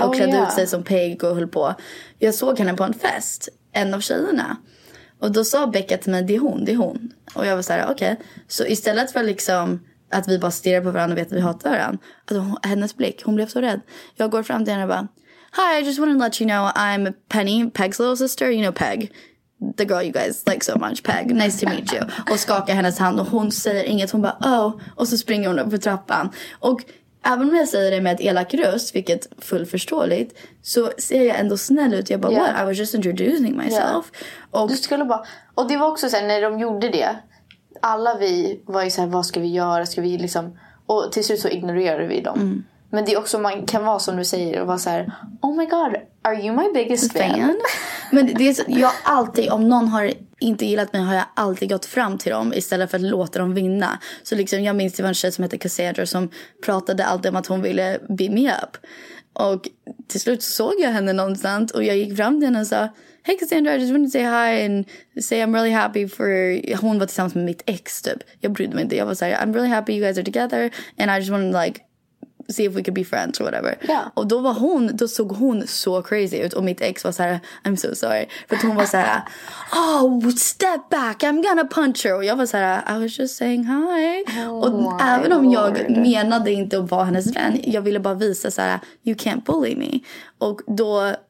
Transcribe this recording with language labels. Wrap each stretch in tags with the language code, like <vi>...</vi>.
<sv>Och klädde ut sig som Peg och höll på. Jag såg henne på en fest. En av tjejerna. Och då sa Becka till mig, det är hon. Och jag var så här, okej. Så istället för liksom... Att vi bara stirrar på varandra och vet att vi hatar varandra. Alltså, hennes blick, hon blev så rädd. Jag går fram till henne och bara...</sv> <en>Hi, I just wanted to let you know I'm Penny, Peg's little sister. You know Peg. The girl you guys like so much, Peg. Nice to meet you.</en> <sv>Och skakar hennes hand och hon säger inget. Hon bara, oh. Och så springer hon upp på trappan. Och även om jag säger det med ett elak röst, vilket är fullförståeligt, så ser jag ändå snäll ut. Jag bara,</sv> <en>what? I was just introducing myself. Yeah.</en> <sv>Och, du skulle bara... Och det var också så här, när de gjorde det... Alla vi var ju så här, vad ska vi göra? Ska vi liksom... Och till slut så ignorerade vi dem. Mm. Men det är också, man kan vara som du säger och vara så här,</sv> <en>oh my god, are you my biggest fan?</en> <sv>Men det är så, jag alltid, om någon har inte gillat mig, har jag alltid gått fram till dem istället för att låta dem vinna. Så liksom, jag minns det var en tjej som hette Cassandra som pratade alltid om att hon ville</sv> <en>beat me up.</en> <sv>Och till slut såg jag henne någonstans och jag gick fram till henne och sa...</sv> <en>Hey Cassandra, I just wanted to say hi and say I'm really happy for...</en> <sv>Hon var tillsammans med mitt ex, typ. Jag brydde mig inte. Jag var så här,</sv> <en>I'm really happy you guys are together. And I just wanted to, like, see if we could be friends or whatever. Yeah.</en> <sv>Och då var hon, då såg hon så crazy ut. Och mitt ex var så här,</sv> <en>I'm so sorry.</en> <sv>För hon var så här,</sv> <en>oh, step back, I'm gonna punch her.</en> <sv>Och jag var så här,</sv> <en>I was just saying hi. Oh,</en> <sv>och även om jag menade inte att vara hennes vän, jag ville bara visa så här,</sv> <en>you can't bully me.</en> <sv>Och då...</sv>